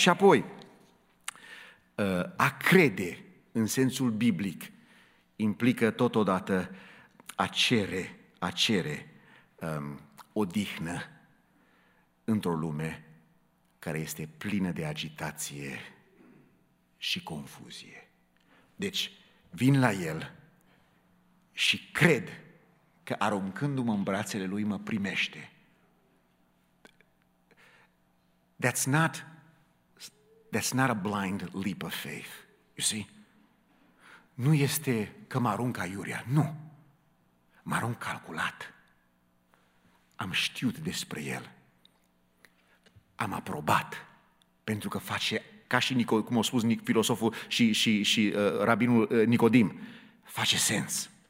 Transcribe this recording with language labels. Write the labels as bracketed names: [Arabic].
[Romanian] Și apoi, a crede în sensul biblic implică totodată a cere odihnă într-o lume care este plină de agitație și confuzie. Deci, vin la El și cred că aruncându-mă în brațele Lui mă primește. [English] That's not a blind leap of faith, you see? [Romanian] Nu este că mă arunc aiurea, nu. Mă arunc calculat. Am știut despre El. Am aprobat. Pentru că face, ca și cum a spus filosoful și rabinul Nicodim, face sens.